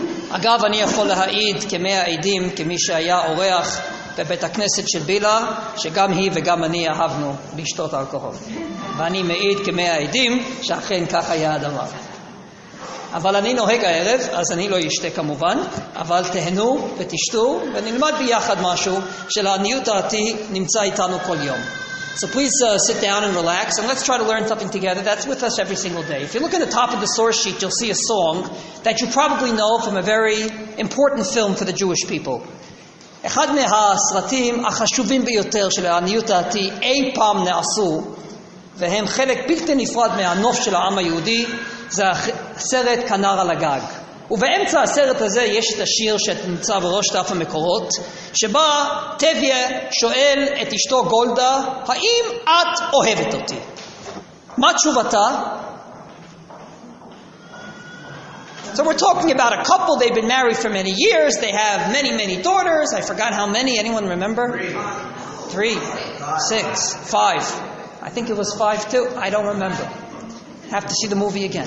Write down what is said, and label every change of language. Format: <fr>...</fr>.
<he>אגב, אני יכול להעיד כמאה עדים, כמי שהיה אורח בבית הכנסת של בילה, שגם היא וגם אני אהבנו לשתות אלכוהול. ואני מעיד כמאה עדים שאכן כך היה הדבר. אבל אני נוהג הערב, אז אני לא אשתה כמובן, אבל תהנו ותשתו ונלמד ביחד משהו שלעניות דעתי נמצא איתנו כל יום.</he> <en>So please sit down and relax, and let's try to learn something together that's with us every single day. If you look at the top of the source sheet, you'll see a song that you probably know from a very important film for the Jewish people.</en> <he>אחד מהסרטים החשובים ביותר של העניות דעתי אי פעם נעשו, והם חלק בלתי נפרד מהנוף של העם היהודי, זה הסרט כנר על הגג. ובאמצע הסרט הזה יש את השיר שנמצא בראש דף המקורות, שבה טביה שואל את אשתו גולדה, האם את אוהבת אותי? מה תשובתה?</he> <en>So we're talking about a couple, they've been married for many years, they have many, many daughters, I forgot how many, anyone remember? Three, six, five. I think it was five too, I don't remember. Have to see the movie again.</en>